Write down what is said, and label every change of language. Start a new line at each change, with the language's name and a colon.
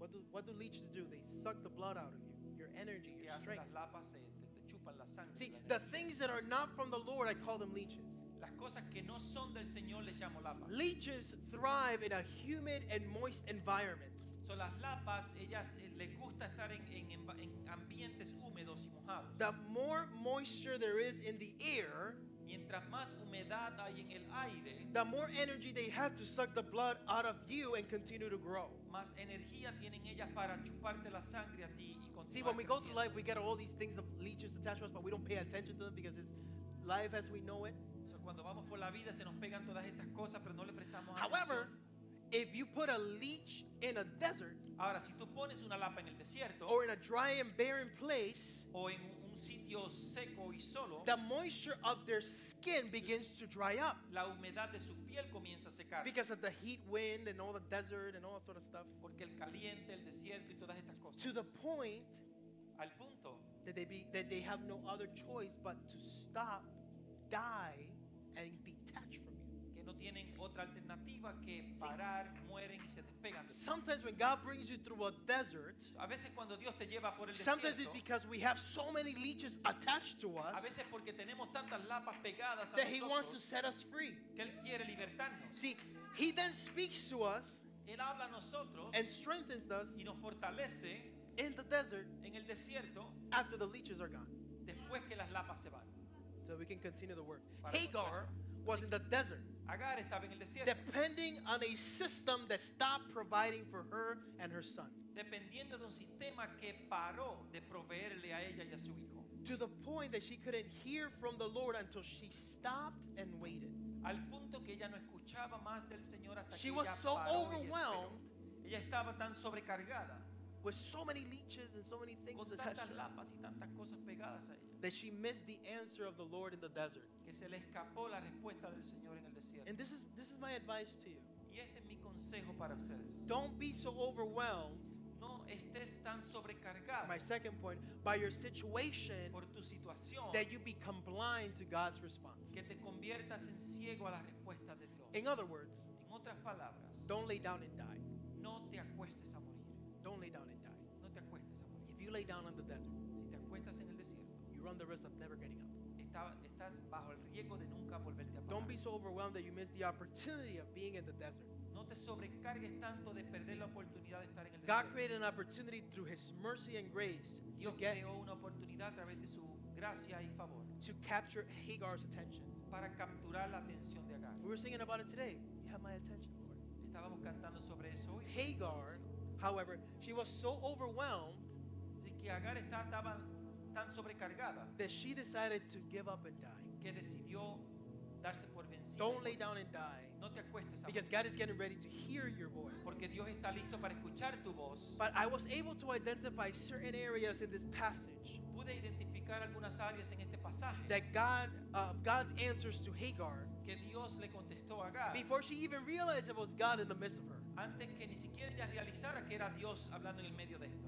English: What do leeches do? They suck the blood out of you, your energy, your strength.
Spanish: chupan la sangre.
English: See, the things that are not from the Lord, I call them leeches.
Spanish: Las cosas que no son del Señor les llamo lapas.
English: Leeches thrive in a humid and moist environment.
Spanish: So las lapas, ellas les gusta estar en ambientes húmedos y mojados.
English: The more moisture there is in the air,
Spanish: mientras más humedad hay en el aire,
English: the more energy they have to suck the blood out of you and continue to grow.
Spanish: Más energía tienen ellas para chuparte la sangre a ti y continuar.
English: See, when we go through life, we get all these things of leeches attached to us, but we don't pay attention to them because it's life as we know it.
Spanish: So cuando vamos por la vida se nos pegan todas estas cosas, pero no le prestamos atención.
English: However, if you put a leech in a desert,
Spanish: ahora si tú pones una lapa en el desierto,
English: or in a dry and barren place,
Spanish: o en un sitio seco y solo,
English: the moisture of their skin begins to dry up.
Spanish: La humedad de su piel comienza a secarse.
English: Because of the heat, wind, and all the desert and all that sort of stuff.
Spanish: Porque el caliente, el desierto y todas estas cosas.
English: To the point,
Spanish: al punto,
English: that they have no other choice but to stop, die, and detach from you.
Spanish: Que no tienen otra alternativa que parar, mueren y se despegan.
English: Sometimes when God brings you through a desert,
Spanish: a veces cuando Dios te lleva por el desierto,
English: sometimes it's because we have so many leeches attached to us,
Spanish: a veces porque tenemos tantas lapas pegadas a nosotros,
English: that He wants to set us free.
Spanish: Que Él quiere libertarnos.
English: See, He then speaks to us,
Spanish: Él habla a nosotros,
English: and strengthens us,
Spanish: y nos fortalece,
English: in the desert,
Spanish: en el desierto,
English: after the leeches are gone,
Spanish: después que las lapas se van.
English: So we can continue the work. Hagar was in the desert,
Spanish: Agar estaba en el desierto,
English: depending on a system that stopped providing for her and her son.
Spanish: Dependiendo de un sistema que paró de proveerle a ella y a su hijo.
English: To the point that she couldn't hear from the Lord until she stopped and waited.
Spanish: Al punto que ella no escuchaba más del Señor hasta
English: she
Spanish: que
English: was
Spanish: ella
English: so
Spanish: paró
English: overwhelmed.
Spanish: Ella estaba tan sobrecargada.
English: With so many leeches and so many things
Spanish: con tantas
English: attached
Spanish: lapas y tantas cosas pegadas a ella,
English: that she missed the answer of the Lord in the desert.
Spanish: Que se le escapó la respuesta del Señor en el desierto.
English: And this is my advice to you.
Spanish: Y este es mi consejo para ustedes.
English: Don't be so overwhelmed.
Spanish: No estés tan sobrecargado.
English: My second point, by your situation,
Spanish: por tu situación,
English: that you become blind to God's response.
Spanish: Que te conviertas en ciego a la respuesta de Dios.
English: In other words,
Spanish: en otras palabras,
English: don't lay down and die.
Spanish: No te acuestes a morir.
English: Don't lay down and die.
Spanish: No te acuestes a morir.
English: If you lay down in the desert,
Spanish: si te acuestas en el desierto,
English: you run the risk of never getting up.
Spanish: Estás bajo el riesgo de nunca volverte a parar.
English: Don't be so overwhelmed that you miss the opportunity of being in the desert.
Spanish: No te sobrecargues tanto de perder la oportunidad de estar en el
English: God
Spanish: desierto.
English: God created an opportunity through His mercy and grace.
Spanish: Dios creó una oportunidad a través de su gracia y favor.
English: To capture Hagar's attention.
Spanish: Para capturar la atención de Agar.
English: We were singing about it today. You have my attention, Lord.
Spanish: Estábamos cantando sobre eso hoy.
English: Hagar, however, she was so overwhelmed,
Spanish: así que Agar estaba tan sobrecargada,
English: that she decided to give up and die.
Spanish: Que decidió darse por vencida.
English: Don't lay down and die.
Spanish: No te acuestes,
English: because God is getting ready to hear your voice.
Spanish: Porque Dios está listo para escuchar tu voz.
English: But I was able to identify certain areas in this passage,
Spanish: pude identificar algunas áreas en este pasaje,
English: that God, God's answers to Hagar,
Spanish: que Dios le contestó a Agar,
English: before she even realized it was God in the midst of her.
Spanish: Antes que ni siquiera ella realizara que era Dios hablando en el medio de esto.